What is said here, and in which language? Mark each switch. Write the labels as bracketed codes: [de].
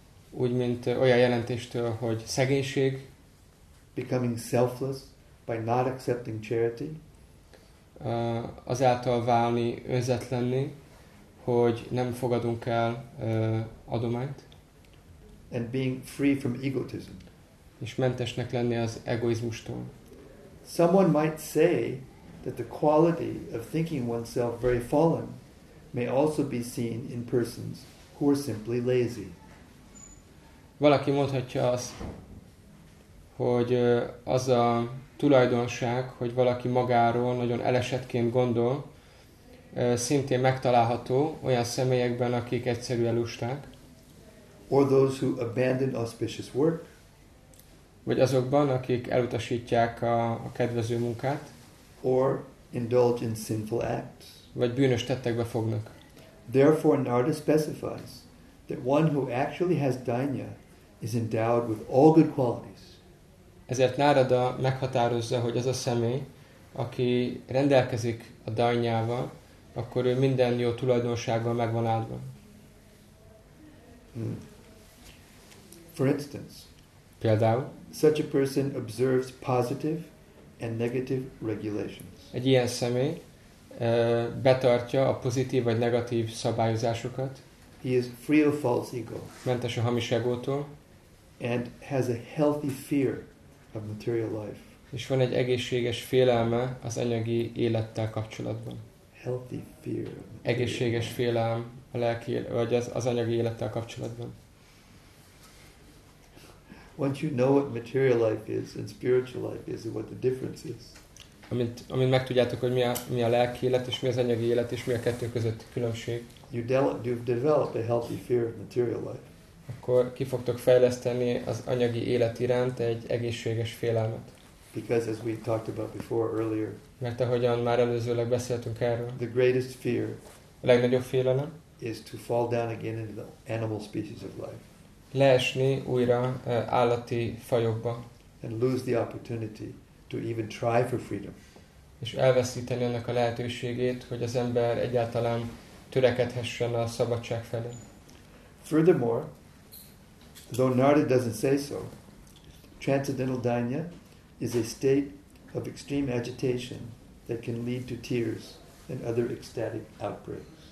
[hu] Úgy, mint olyan jelentéstől, hogy szegénység. [en] Becoming selfless by not accepting charity. [hu] Azáltal válni önzetlenné, hogy nem fogadunk el adományt. [en] And being free from egotism. [hu] És mentesnek lenni az egoizmustól. [en] Someone might say that the quality of thinking oneself very fallen may also be seen in persons who are simply lazy. [hu] Valaki mondhatja azt, hogy az a tulajdonság, hogy valaki magáról nagyon elesettként gondol, szintén megtalálható olyan személyekben, akik egyszerűen lusták. [en] Or those who abandon auspicious work. [hu] Vagy azokban, akik elutasítják a kedvező munkát. [en] Or indulge in sinful acts. [hu] Vagy bűnös tettekbe fognak. [en] Therefore, Narada specifies that one who actually has dānya is endowed with all good qualities. [hu] Ezért Narada meghatározza, hogy az a személy, aki rendelkezik a dānyával, akkor ő minden jó tulajdonsággal megvan áldva. [en] For instance, [hu] például, [en] such a person observes positive and negative regulations. [hu] Egy ilyen személy betartja a pozitív vagy negatív szabályozásokat. [en] He is free of false ego. [hu] Mentes a hamis egótól. [en] And has a healthy fear of material life. [hu] És van egy egészséges félelme az anyagi élettel kapcsolatban. [en] Healthy fear. [hu] Egészséges félelem a lelki vagy az anyagi élettel kapcsolatban. [en] Once you know what material life is and spiritual life is, what the difference is. [hu] Amint megtudjátok, hogy mi a lelki élet és mi az anyagi élet és mi a kettő között különbség. [en] You develop a healthy fear of material life. [hu] Akkor ki fogtok fejleszteni az anyagi élet iránt egy egészséges félelmet. [en] Because as we talked about before earlier. [hu] Mert ahogyan már előzőleg beszéltünk erről. [en] The greatest fear. [hu] A legnagyobb félelem. [en] Is to fall down again into the animal species of life. [hu] Leesni újra állati fajokba. [en] And lose the opportunity to even try for freedom. [hu] És elveszíteni annak a lehetőségét, hogy az ember egyáltalán törekedhessen a szabadság felé. [en] Furthermore, though Narada doesn't say so, transcendental dānya is a state of extreme agitation that can lead to tears and other ecstatic outbreaks.